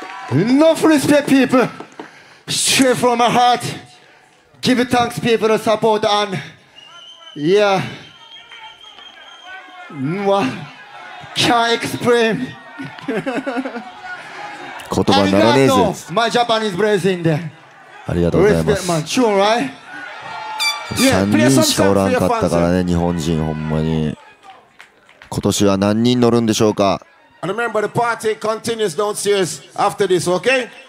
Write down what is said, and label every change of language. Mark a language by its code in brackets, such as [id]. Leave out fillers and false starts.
[en] Enough respect, people. Straight from my heart. Give thanks, people, for the support and yeahCan't explain. [ja] 言葉ならねえぜ。 [en] My Japanese blessing で。 [ja] ありがとうございます。 [en] Man, true, right? [ja] 3人しかおらんかったからね、日本人ほんまに。今年は何人乗るんでしょうか。 [en] And remember the party continues downstairs after this, okay?